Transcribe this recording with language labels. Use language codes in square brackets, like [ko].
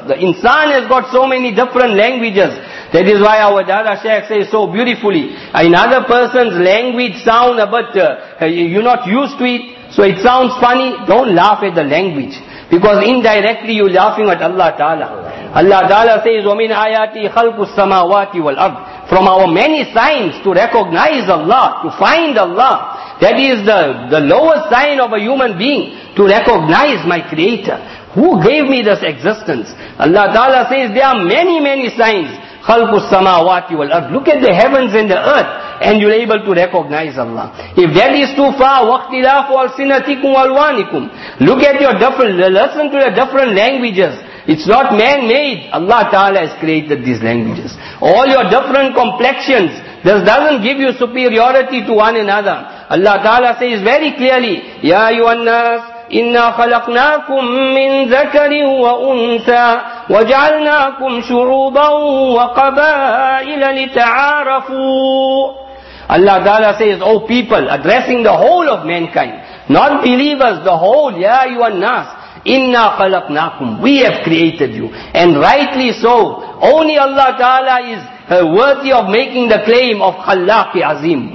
[en] The insan has got so many different languages. That is why our Dada Shaykh says so beautifully, another person's language sound, but you're not used to it, so it sounds funny. Don't laugh at the language. Because indirectly you're laughing at Allah Ta'ala. [ar] Allah Ta'ala says, وَمِنْ آيَاتِ خَلْقُ السَّمَاوَاتِ وَالْأَرْضِ. [en] From our many signs to recognize Allah, to find Allah. That is the lowest sign of a human being. to recognize my Creator. Who gave me this existence? Allah Ta'ala says there are many, many signs. [ar] خَلْقُ السَّمَاوَاتِ وَالْأَرْضِ. [en] Look at the heavens and the earth, and you're able to recognize Allah. If that is too far, [ar] وَاخْتِلَافُ أَلْسِنَتِكُمْ وَالْوَانِكُمْ. [en] Look at your different, listen to the different languages. It's not man-made. Allah Ta'ala has created these languages. All your different complexions, this doesn't give you superiority to one another. [ar] Allah Ta'ala says very clearly, يَا أَيُّهَا النَّاسِ إِنَّا خَلَقْنَاكُمْ مِنْ ذَكَرٍ وَأُنْثَى وَجَعَلْنَاكُمْ شُعُوبًا وَقَبَائِلَ لِتَعَارَفُوا. [en] Allah Ta'ala says, O people, addressing the whole of mankind, non-believers, the whole, [ar] يَا أَيُّهَا النَّاسِ إِنَّا خَلَقْنَاكُمْ. [en] We have created you. And rightly so. Only Allah Ta'ala is worthy of making the claim of Khallaqi Azim.